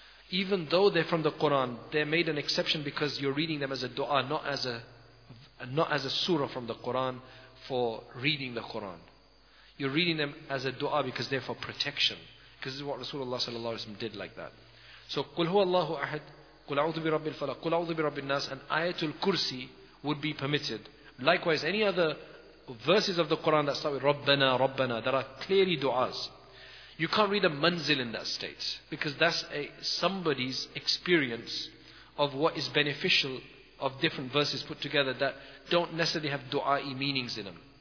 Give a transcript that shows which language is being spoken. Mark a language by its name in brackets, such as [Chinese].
[English] Even though they're from the Quran, they're made an exception because you're reading them as a dua, not as a surah from the Quran for reading the Quran. You're reading them as a dua because they're for protection. Because this is what Rasulullah sallallahu alaihi wasallam did like that. So [Arabic] قُلْ هُوَ اللَّهُ أَحَدٌ قُلْ أَعُوذُ بِرَبِّ الْفَلَقِ قُلْ أَعُوذُ بِرَبِّ النَّاسِ [English] and Ayatul Kursi would be permitted. Likewise, any other verses of the Quran that start with رَبَّنَا رَبَّنَا that are clearly du'as. You can't read a manzil in that state, because that's somebody's experience of what is beneficial of different verses put together that don't necessarily have du'a-i meanings in them.